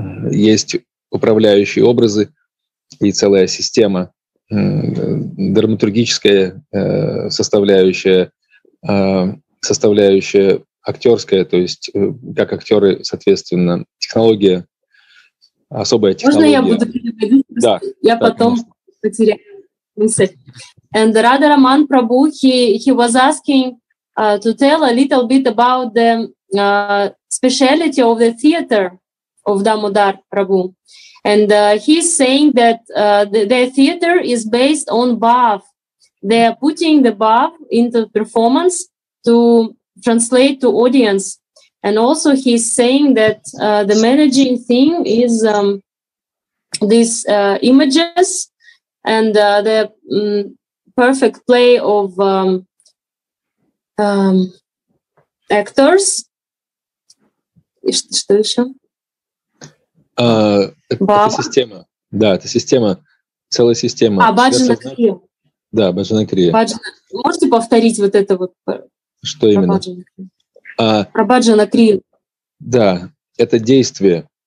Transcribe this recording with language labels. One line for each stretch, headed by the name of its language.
Russian: Есть управляющие образы и целая система, драматургическая составляющая актерская, то есть как актеры, соответственно, технология, особая технология. Можно я буду переводить? Да. Я потом потеряю мысль.
English: And Radha Raman Prabhu, he was asking to tell a little bit about the speciality of the theater of Damodar Prabhu. And he's saying that their theater is based on bhav. They are putting the bhav into performance to translate to audience. And also he's saying that the managing thing is these images and the perfect play of actors.
Russian: Что еще? Это система, да, это система, целая система. А баджана-крия. Да, Баджана Крия. Баджана. Можете повторить вот это вот? Что про именно? Про Баджана Крия. Да, это действие.